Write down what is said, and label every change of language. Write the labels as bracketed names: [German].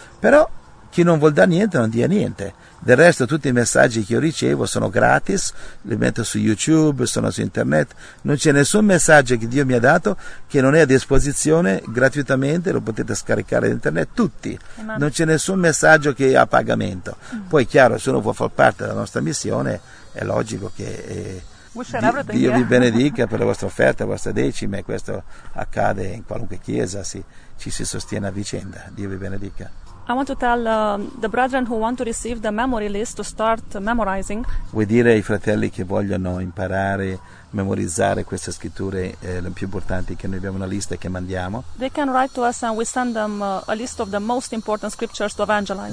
[Italian] Però chi non vuol dare niente non dia niente. Del resto tutti i messaggi che io ricevo sono gratis, li metto su YouTube, sono su internet, non c'è nessun messaggio che Dio mi ha dato che non è a disposizione gratuitamente, lo potete scaricare da internet tutti. Non c'è nessun messaggio che è a pagamento. Poi è chiaro, se uno vuole far parte della nostra missione è logico che Dio vi benedica per la vostra offerta, la vostra decima, e questo accade in qualunque chiesa, ci si sostiene a vicenda. Dio vi benedica. [English] I want to tell the brethren who want to receive the memory list to start memorizing. [Italian] Vuoi dire ai fratelli che vogliono imparare, memorizzare queste scritture, le più importanti, che noi abbiamo una lista che mandiamo? [English] They can write to us and we send them a list of the most important scriptures to evangelize.